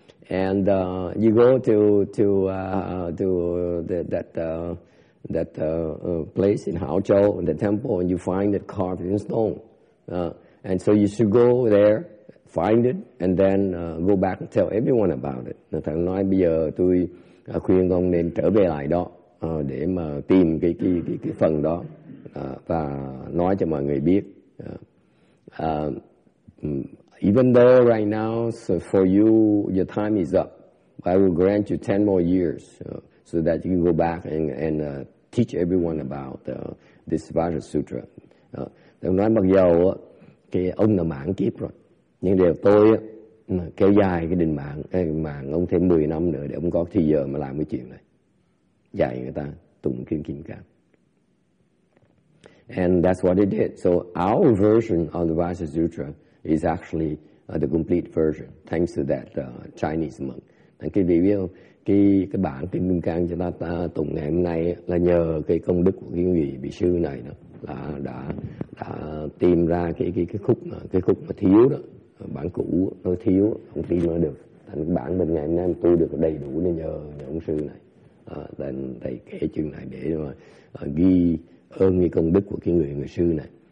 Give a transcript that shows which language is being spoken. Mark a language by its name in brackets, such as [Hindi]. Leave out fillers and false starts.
[English] And you go to that place in Hao Châu, in the temple, and you find it carved in stone. And so you should go there, find it, and then go back and tell everyone about it. [Vietnamese] Thầy nói bây giờ tôi khuyên ông nên trở về lại đó để mà tìm cái phần đó và nói cho mọi người biết. [English] Even though right now, so for you, your time is up, I will grant you 10 more years so that you can go back and teach everyone about this Vajra Sutra. [Vietnamese] Nói mặc dù ông là mãn kiếp rồi, nhưng điều tôi kéo dài cái định mạng ông thêm 10 năm nữa để ông có thời giờ mà làm cái chuyện này, dạy người ta tụng kinh Kim Cang. [English] And that's what he did. So our version of the Vajra Sutra is actually the complete version, thanks to that Chinese monk. [Vietnamese] Thằng cái vị biết không? Cái bản kinh Kim Cang cho ta tụng ngày hôm nay là nhờ cái công đức của cái vị sư này đó, là đã tìm ra cái khúc mà thiếu đó, bản cũ nó thiếu, không tìm ra được. Thành cái bản bên ngày hôm nay tôi được đầy đủ nên nhờ ông sư này, thầy kể chuyện này để mà ghi ơn cái công đức của cái người sư này.